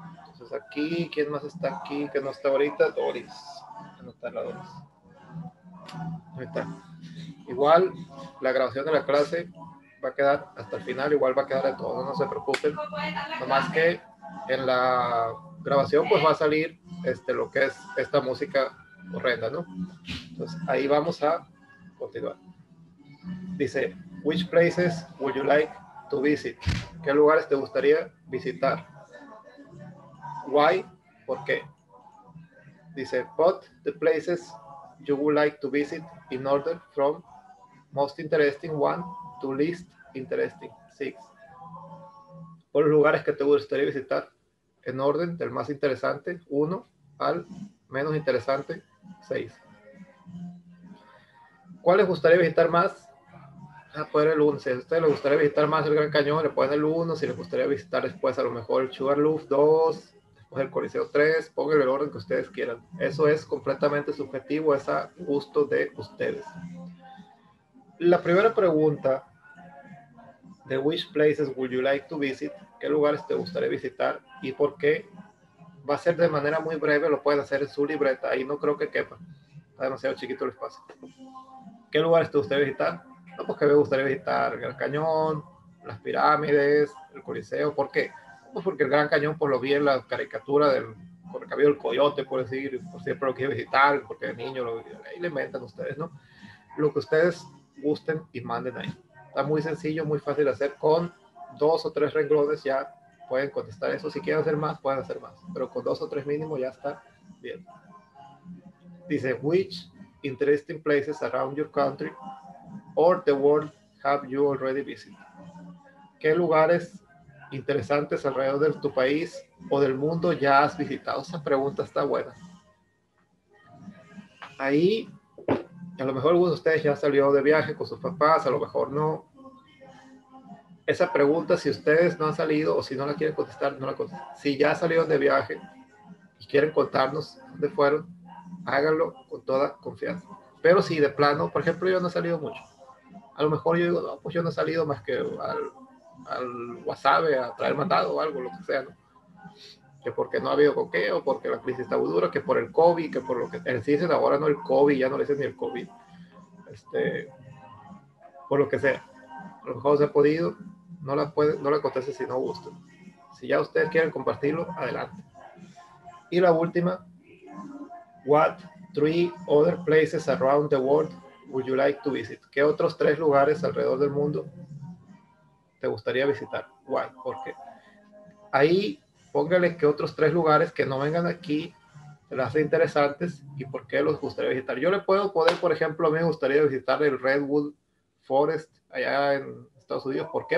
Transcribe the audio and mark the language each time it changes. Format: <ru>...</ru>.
<es>Entonces aquí, ¿quién más está aquí que no está ahorita? Doris. No está la Doris. Ahí está. Igual la grabación de la clase va a quedar hasta el final, igual va a quedar de todo, no se preocupen, nomás que en la grabación pues va a salir lo que es esta música horrenda, ¿no? Entonces ahí vamos a continuar. Dice,</es> <en>which places would you like to visit?</en> <es>¿Qué lugares te gustaría visitar?</es> <en>Why?</en> <es>¿Por qué? Dice,</es> <en>but the places you would like to visit in order from most interesting one to least interesting. Six.</en> <es>¿Por los lugares que te gustaría visitar en orden del más interesante? 1 al menos interesante. 6. ¿Cuáles gustaría visitar más? A poder el 1. Si a ustedes les gustaría visitar más el Gran Cañón, le ponen el 1. Si les gustaría visitar después a lo mejor el Sugarloaf 2, después el Coliseo 3, pongan el orden que ustedes quieran. Eso es completamente subjetivo, es a gusto de ustedes. La primera pregunta de</es> <en>which places would you like to visit?</en> <es>¿Qué lugares te gustaría visitar y por qué? Va a ser de manera muy breve, lo puedes hacer en su libreta, ahí no creo que quepa. Está demasiado chiquito el espacio. ¿Qué lugares te gustaría visitar? No, pues que me gustaría visitar el Gran Cañón, las pirámides, el Coliseo. ¿Por qué? Pues porque el Gran Cañón, pues lo vi en la caricatura del Correcaminos del Coyote, por decir, por siempre lo quise visitar, porque de niño lo vi. Ahí le inventan ustedes, ¿no? Lo que ustedes gusten y manden ahí. Está muy sencillo, muy fácil de hacer. Con dos o tres renglones ya pueden contestar eso. Si quieren hacer más, pueden hacer más. Pero con dos o tres mínimo ya está bien. Dice,</es> <en>which interesting places around your country or the world have you already visited?</en> <es>¿Qué lugares interesantes alrededor de tu país o del mundo ya has visitado? Esa pregunta está buena. Ahí, a lo mejor alguno de ustedes ya salió de viaje con sus papás, a lo mejor no. Esa pregunta, si ustedes no han salido o si no la quieren contestar, no la contesten. Si ya salieron de viaje y quieren contarnos dónde fueron, háganlo con toda confianza. Pero si de plano, por ejemplo, yo no he salido mucho. A lo mejor yo digo, no, pues yo no he salido más que al Guasave a traer mandado o algo, lo que sea, ¿no? Que porque no ha habido con qué, o porque la crisis está muy dura, que por el COVID, que por lo que... Si dicen ahora no el COVID, ya no le dicen ni el COVID. Por lo que sea. A lo mejor se ha podido, no la conteste si no gusta. Si ya ustedes quieren compartirlo, adelante. Y la última...</es> <en>What three other places around the world would you like to visit?</en> <es>¿Qué otros tres lugares alrededor del mundo te gustaría visitar?</es> <en>Why?</en> <es>¿Por qué? Ahí póngale que otros tres lugares que no vengan aquí se las hace interesantes y por qué los gustaría visitar. Yo le puedo poder, por ejemplo, a mí me gustaría visitar el Redwood Forest allá en Estados Unidos. ¿Por qué?</es>